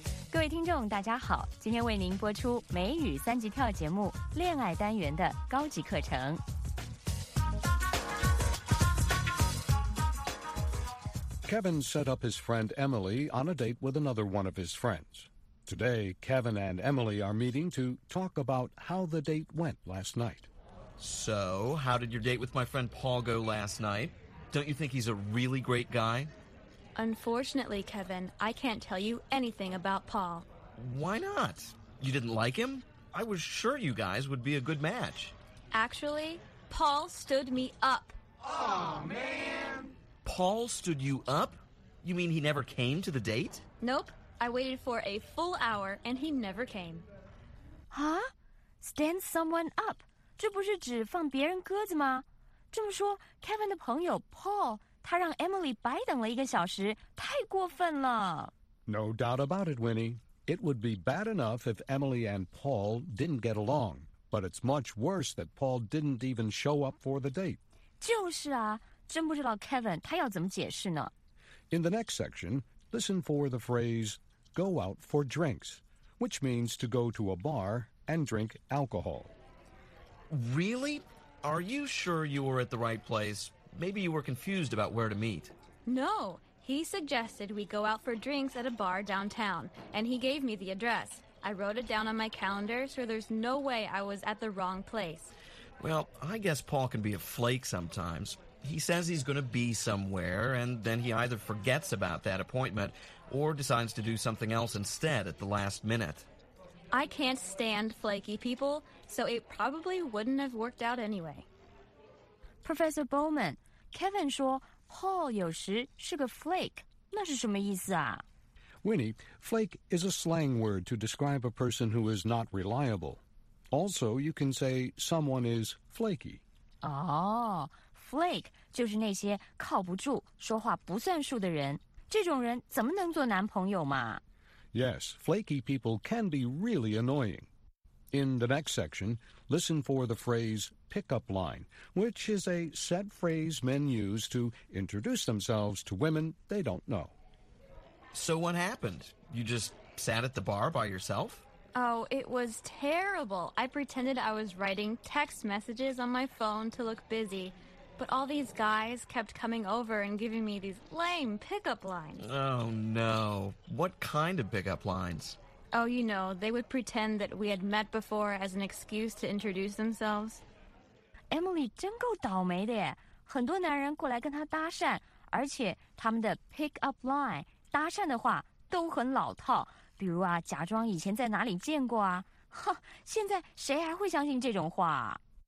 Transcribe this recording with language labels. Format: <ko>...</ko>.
<zh>各位听众大家好，今天为您播出美语三级跳节目恋爱单元的高级课程。</zh> <en>Kevin set up his friend Emily on a date with another one of his friends. Today, Kevin and Emily are meeting to talk about how the date went last night. So, how did your date with my friend Paul go last night? Don't you think he's a really great guy? Unfortunately, Kevin, I can't tell you anything about Paul. Why not? You didn't like him? I was sure you guys would be a good match. Actually, Paul stood me up. Aw, man! Paul stood you up? You mean he never came to the date? Nope. I waited for a full hour, and he never came. Huh? Stand someone up?</en> <zh>这不是指放别人鸽子吗？这么说 ,Kevin 的朋友 Paul, 他让 Emily 白等了一个小时,太过分了。</zh> <en>No doubt about it, Winnie. It would be bad enough if Emily and Paul didn't get along. But it's much worse that Paul didn't even show up for the date.</en> <zh>就是啊。真不知道 Kevin 他要怎么解释呢</zh> <en>In the next section, listen for the phrase, go out for drinks, which means to go to a bar and drink alcohol. Really? Are you sure you were at the right place? Maybe you were confused about where to meet. No, he suggested we go out for drinks at a bar downtown, and he gave me the address. I wrote it down on my calendar, so there's no way I was at the wrong place. Well, I guess Paul can be a flake sometimes. He says he's going to be somewhere, and then he either forgets about that appointment or decides to do something else instead at the last minute. I can't stand flaky people, so it probably wouldn't have worked out anyway.</en> <zh>Professor Bowman, Kevin 说 Paul 有时是个 flake, 那是什么意思啊?</zh> <en>Winnie, flake is a slang word to describe a person who is not reliable. Also, you can say someone is flaky.</en> <zh>Oh,Flake 就是那些靠不住、说话不算数的人。这种人怎么能做男朋友嘛</zh> <en>？Yes, flaky people can be really annoying. In the next section, listen for the phrase "pickup line," which is a set phrase men use to introduce themselves to women they don't know. So what happened? You just sat at the bar by yourself? Oh, it was terrible. I pretended I was writing text messages on my phone to look busy. But all these guys kept coming over and giving me these lame pickup lines. Oh, no. What kind of pickup lines? Oh, you know, they would pretend that we had met before as an excuse to introduce themselves.</en> <zh>Emily 真够倒霉的耶。很多男人过来跟她搭讪，而且他们的 pickup line, 搭讪的话都很老套。比如啊，假装以前在哪里见过啊。哼，现在谁还会相信这种话啊？</zh>